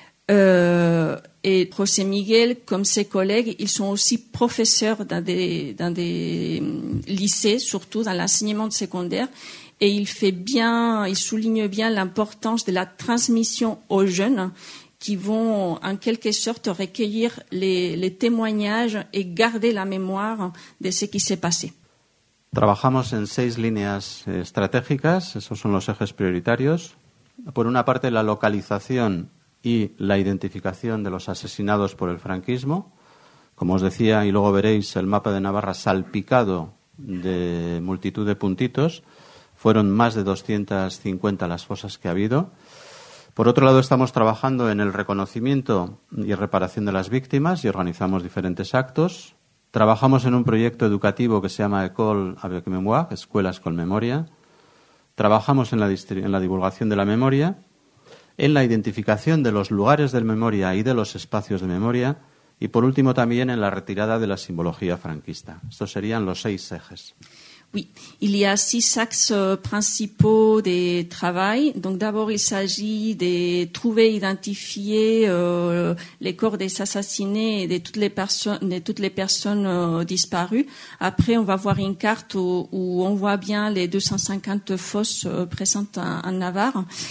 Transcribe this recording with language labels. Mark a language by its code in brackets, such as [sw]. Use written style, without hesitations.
[fr] Et José Miguel, comme ses collègues, ils sont aussi professeurs dans des lycées, surtout dans l'enseignement secondaire, et il souligne bien l'importance de la transmission aux jeunes qui vont en quelque sorte recueillir les témoignages et garder la mémoire de ce qui s'est passé. [es] Trabajamos en 6 líneas estratégicas, esos son los ejes prioritarios. Por una parte, la localización y la identificación de los asesinados por el franquismo. Como os decía, y luego veréis el mapa de Navarra salpicado de multitud de puntitos, fueron más de 250 las fosas que ha habido. Por otro lado, estamos trabajando en el reconocimiento y reparación de las víctimas y organizamos diferentes actos. Trabajamos en un proyecto educativo que se llama École avec mémoire, Escuelas con Memoria. Trabajamos en la divulgación de la memoria, en la identificación de los lugares de memoria y de los espacios de memoria, y por último también en la retirada de la simbología franquista. Estos serían los 6 ejes. [fr] Oui, il y a 6 axes principaux de travail. Donc d'abord, il s'agit de trouver, identifier les corps des assassinés et de toutes les personnes disparues. Après, on va voir une carte où on voit bien les 250 fosses présentes en Navarre.